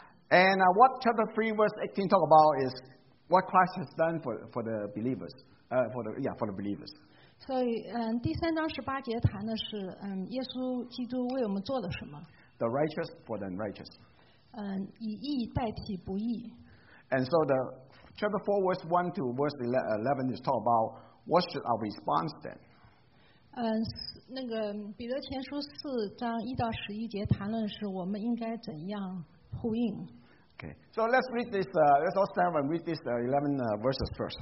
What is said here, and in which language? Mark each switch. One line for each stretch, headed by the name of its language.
English: And what chapter 3 verse 18 talk about is what Christ has done for the believers, for the believers.
Chinese: 所以，第三章十八节谈的是，耶稣基督为我们做了什么
English: ？The righteous for the unrighteous.
Chinese: 以义代替不义。
English: And so the chapter 4 verse 1 to verse 11 is talk about. What should our response then?
Chinese: 那个彼得前书四章一到十一节谈论是我们应该怎样呼应。
English: Okay, so let's read this. Let's all stand and read this 11 verses first.